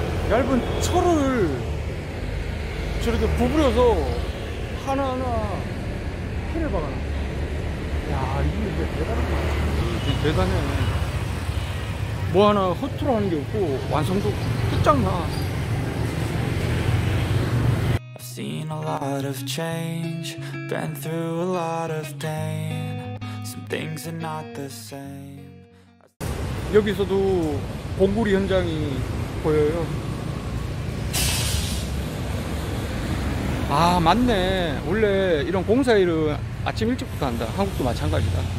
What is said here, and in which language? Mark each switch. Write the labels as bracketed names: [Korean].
[Korean] 얇은 철을 저렇게 구부려서 하나하나 칠해 박아놨어. 야, 이게 대단한 것 같아. 대단해. 뭐 하나 허투루 하는 게 없고 완성도 끝장나. [English] Seen a lot of change, been through a lot of pain. Some things are not the same. [Korean] 여기서도 봉구리 현장이 보여요. 아, 맞네. 원래 이런 공사 일은 아침 일찍부터 한다. 한국도 마찬가지다.